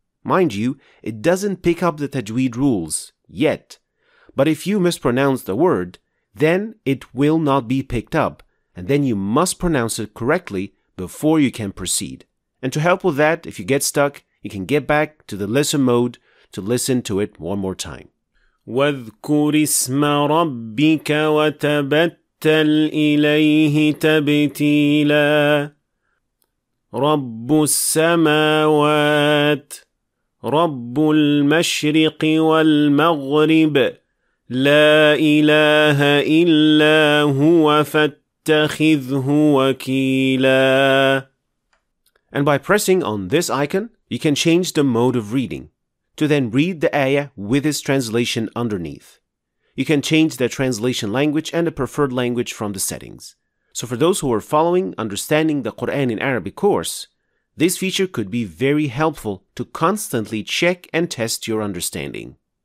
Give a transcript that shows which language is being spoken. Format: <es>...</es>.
<en>Mind you, it doesn't pick up the tajweed rules yet, but if you mispronounce the word, then it will not be picked up, and then you must pronounce it correctly before you can proceed. And to help with that, if you get stuck, you can get back to the listen mode to listen to it one more time.</en> <ar>واذكر اسم ربك وتبتل إليه تبتيلا رب السماوات رب المشرق والمغرب لا إله إلا هو فاتخذه وكيلا.</ar> <en>And by pressing on this icon, you can change the mode of reading to then read the ayah with its translation underneath. You can change the translation language and the preferred language from the settings. So for those who are following understanding the Quran in Arabic course, this feature could be very helpful to constantly check and test your understanding.</en>